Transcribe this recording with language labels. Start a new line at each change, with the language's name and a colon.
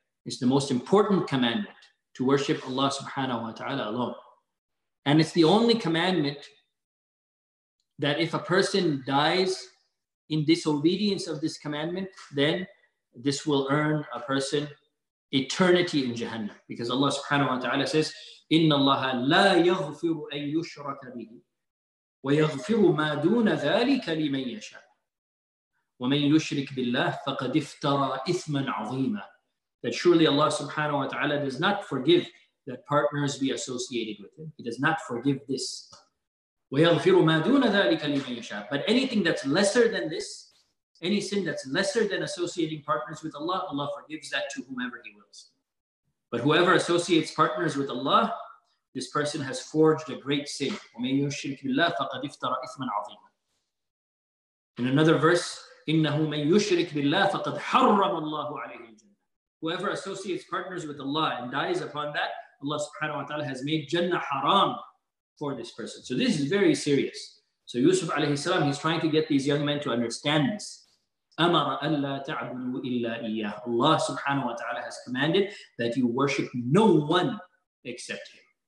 English: It's the most important commandment, to worship Allah subhanahu wa ta'ala alone. And it's the only commandment that if a person dies in disobedience of this commandment, then this will earn a person eternity in Jahannam. Because Allah subhanahu wa ta'ala says,
Arabic: إِنَّ اللَّهَ لَا يَغْفِرُ أَن يُشْرَكَ بِهِ وَيَغْفِرُ مَا دُونَ ذَلِكَ لِمَنْ يَشَاءُ وَمَنْ يُشْرِكْ بِاللَّهِ فَقَدْ افْتَرَى إِثْمًا عَظِيمًا.
English: That surely Allah subhanahu wa ta'ala does not forgive that partners be associated with him. He does not forgive this.
Arabic: وَيَغْفِرُ مَا دُونَ ذَٰلِكَ لِمَنْ يَشَاءُ.
English: But anything that's lesser than this, any sin that's lesser than associating partners with Allah, Allah forgives that to whomever He wills. But whoever associates partners with Allah, this person has forged a great sin.
Arabic: وَمَنْ يُشْرِكْ بِاللَّهِ فَقَدْ افْتَرَى إِثْمًا عَظِيمًا.
English: In another verse,
Arabic: إِنَّهُ مَنْ يُشْرِكْ بِاللَّهِ فَقَدْ حَرَّمَ اللَّهُ عَلَيْهِ الْجَنَّةَ.
English: Whoever associates partners with Allah and dies upon that, Allah subhanahu wa ta'ala has made Jannah haram for this person. So this is very serious. So Yusuf alayhi salam, he's trying to get these young men to understand this.
Arabic: أَمَرَ أَلَّا تَعْبُدُوا إِلَّا إِيَّهِ.
English: Allah subhanahu wa ta'ala has commanded that you worship no one except Him.